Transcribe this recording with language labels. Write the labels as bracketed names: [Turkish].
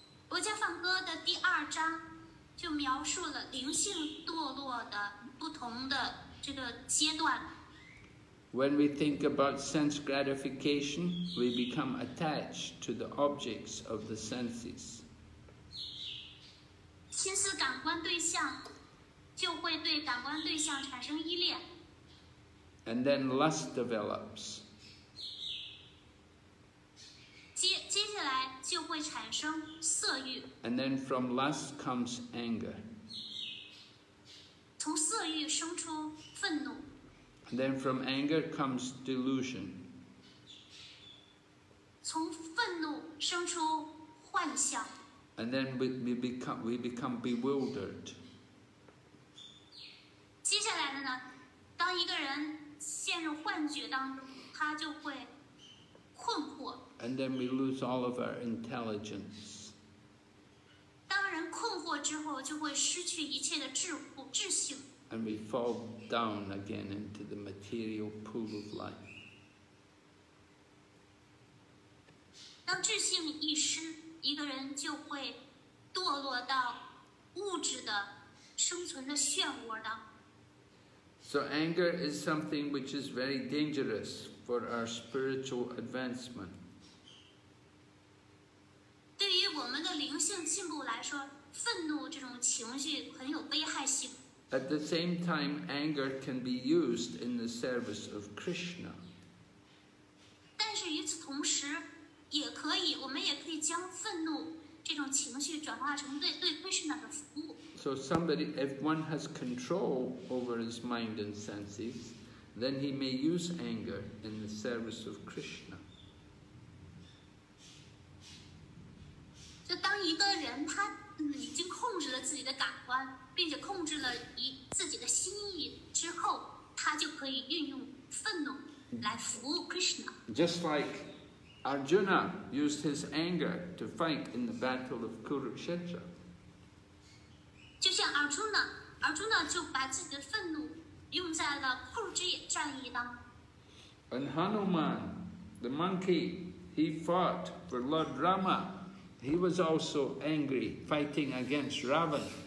[Chinese] 《维加梵歌》的第二章就描述了灵性堕落的不同的这个阶段。 [English] When we think about sense gratification, we become attached to the objects of the senses. [Chinese] 心思感官对象就会对感官对象产生依恋。 [English] And then lust develops. [Chinese] 接下来就会产生色欲。 [English] And then from lust comes anger. [Chinese] 从色欲生出愤怒。 [English] And then from anger comes delusion. [Chinese] 从愤怒生出幻象。 [English] And then we become bewildered. [Chinese] 接下来的呢，当一个人陷入幻觉当中，他就会困惑。 [English] And then we lose all of our intelligence. [Chinese] 当人困惑之后，就会失去一切的智慧、智性。 [English] And we fall down again into the material pool of life. [Chinese] 当智性一失，一个人就会堕落到物质的生存的漩涡当。 [English] So anger is something which is very dangerous for our spiritual advancement. [Chinese] 对于我们的灵性进步来说，愤怒这种情绪很有危害性。 [English] At the same time, anger can be used in the service of Krishna. [Chinese] 但是与此同时，也可以，我们也可以将愤怒这种情绪转化成对 Krishna 的服务。 [English] So somebody, if one has control over his mind and senses, then he may use anger in the service of Krishna. [Chinese] 就当一个人他已经控制了自己的感官，并且控制了自己的心意之后，他就可以运用愤怒来服务 Krishna. [English] Just like Arjuna used his anger to fight in the battle of Kurukshetra. [Chinese] 就像阿朱纳就把自己的愤怒用在了库鲁切特战役当中。 [English] And Hanuman, the monkey, he fought for Lord Rama. He was also angry, fighting against Ravana.